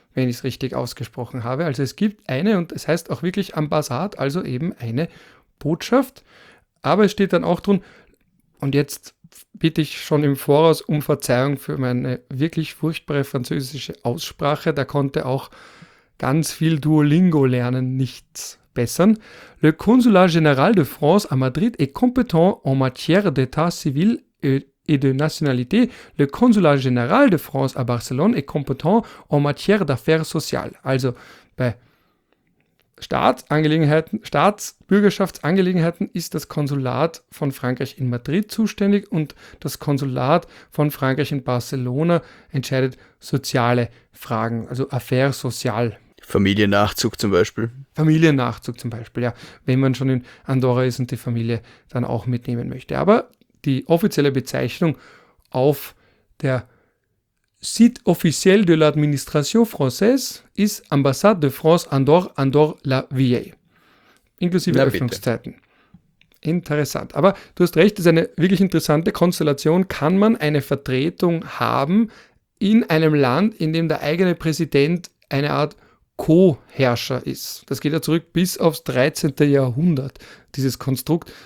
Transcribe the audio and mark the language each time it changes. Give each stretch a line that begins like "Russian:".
German: Wenn ich es richtig ausgesprochen habe. Also es gibt eine und es heißt auch wirklich Ambassade, also eben eine Botschaft. Aber es steht dann auch drin, und jetzt bitte ich schon im Voraus um Verzeihung für meine wirklich furchtbare französische Aussprache, da konnte auch ganz viel Duolingo lernen nichts bessern.
French: Le Consulat général de France à Madrid est compétent en matière d'état civil et de nationalité, le consulat général de France à Barcelone est compétent en matière d'affaires sociales.
German: Also bei Staatsbürgerschaftsangelegenheiten ist das Konsulat von Frankreich in Madrid zuständig und das Konsulat von Frankreich in Barcelona entscheidet soziale Fragen, also
French: affaires sociales.
German: Familiennachzug zum Beispiel. Familiennachzug zum Beispiel, ja. Wenn man schon in Andorra ist und die Familie dann auch mitnehmen möchte. Aber die offizielle Bezeichnung auf der
French: Site officiel de l'administration française
German: ist
French: Ambassade de France Andorre la Vieille.
German: Inklusive Öffnungszeiten. Interessant. Aber du hast recht, das ist eine wirklich interessante Konstellation. Kann man eine Vertretung haben in einem Land, in dem der eigene Präsident eine Art Co-Herrscher ist? Das geht ja zurück bis aufs 13. Jahrhundert, dieses Konstrukt.